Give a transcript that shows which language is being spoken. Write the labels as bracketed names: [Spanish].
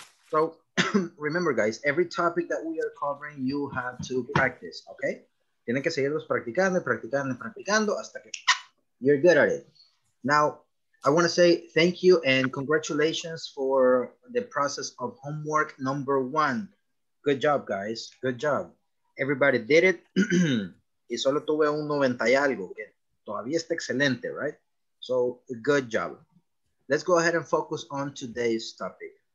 [English] So, remember guys, every topic that we are covering, you have to practice, okay? [Spanish] Tienen que seguirlos practicando, practicando, practicando hasta que [English] you're good at it. Now, I want to say thank you and congratulations for the process of homework number one. Good job, guys. Good job. Everybody did it. [Spanish] Y solo tuve un 90 y algo, que todavía está excelente, [English] right? So, good job. Let's go ahead and focus on today's topic.